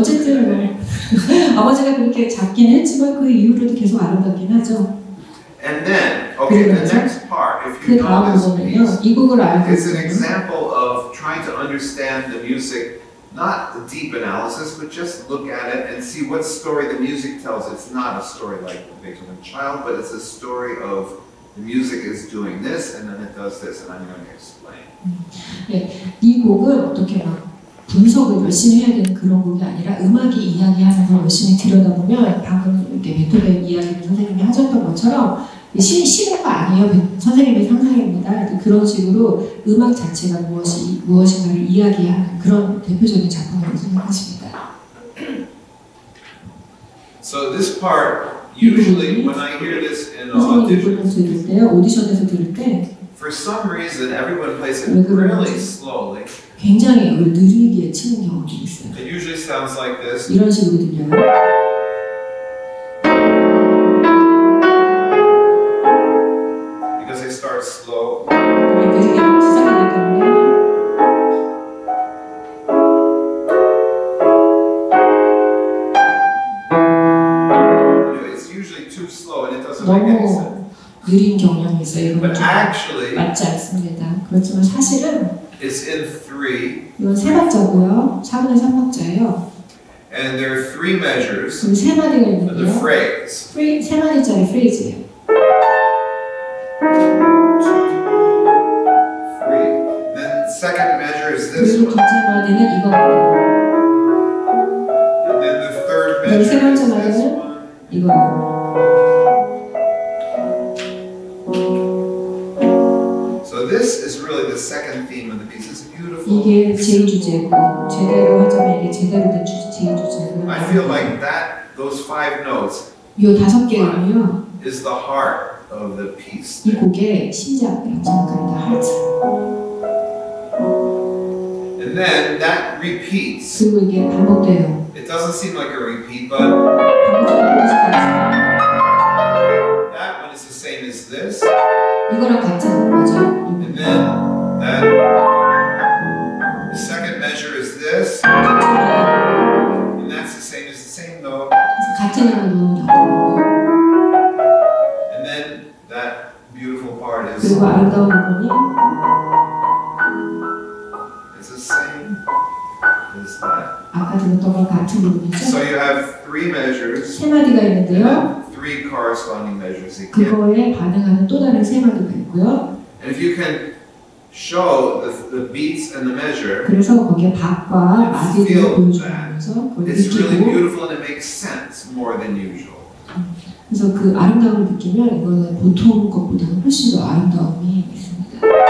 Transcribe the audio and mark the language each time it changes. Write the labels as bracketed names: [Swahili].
[Korean] 어쨌든 뭐, 아버지가 그렇게 잡긴 했지만 그 이후로도 계속 아름답긴 하죠. [English] And then, okay, the next part, if you know this piece, it's an example of trying to understand the music, not the deep analysis, but just look at it and see what story the music tells. It's not a story like Beethoven's Child, but it's a story of the music is doing this, and then it does this, and I'm going to explain. [Korean] 네, 이 곡은 어떻게 막 분석을 열심히 해야 되는 그런 곡이 아니라 음악이 이야기하는 걸 열심히 들여다보면 방금 이렇게 베토벤 이야기를 선생님이 하셨던 것처럼 시가가 아니에요. 선생님의 상상입니다. 그런 식으로 음악 자체가 무엇인가를 이야기하는 그런 대표적인 작품이라고 생각하십니다. [English] So this part, usually when I hear this in auditions, [Korean] 들을 때, 오디션에서 들을 때 [English] For some reason, everyone plays it really slowly. [Korean] 굉장히 느리게 치는 경우도 있어요. [English] It usually sounds like this. [Korean] 이런 식으로 들려요. [English] Because it starts slow. [Korean] 이렇게 시작하기 때문에. [English] Anyway, it's usually too slow and it doesn't make any sense. [Korean] 느린 경향이 있어요. 이건 [English] But actually, [Korean] 맞지 않습니다. 그렇지만 사실은 [English] it's in three, [Korean] 이건 세 박자고요. 4분의 3박자예요. [English] And there are three measures. [Korean] 그럼 세 마디가 있는데요. [English] The phrase. [Korean] 세 마디짜리 phrase예요. [English] Then second measure is this [Korean] 그리고 [English] one. [Korean] 그리고 두째 마디는 이거고요. [English] And then the third measure [Korean] 세 번째 마디는 이거고요. [English] This is really the second theme of the piece. It's beautiful. [Korean] 이게 제일 주제고 제대로 하자면 이게 제대로 된 제일 주제고. [English] I feel like that those five notes. [Korean] 요 다섯 개는요. [English] Is the heart of the piece. [Korean] 이 곡의 시작이라고 생각합니다. [English] Heart. And then that repeats. [Korean] 그리고 이게 반복돼요. [English] It doesn't seem like a repeat, but. That one is the same as this. [Korean] 이거랑 같지 않은 거죠? [English] And then that the second measure is this, and that's the same as the same note. And then that beautiful part is. It's the same as that. So you have three measures. [Korean] 세 마디가 있는데요. [English] Three corresponding measures. [Korean] 그거에 반응하는 또 다른 세 마디가 있고요. [English] And if you can show the beats and the measure, [Korean] 그래서 거기에 박과 마디를 보여주면서 [English] it's really beautiful and it makes sense more than usual. [Korean] 그래서 그 아름다움을 느끼면 이거는 보통 것보다는 훨씬 더 아름다움이 있습니다.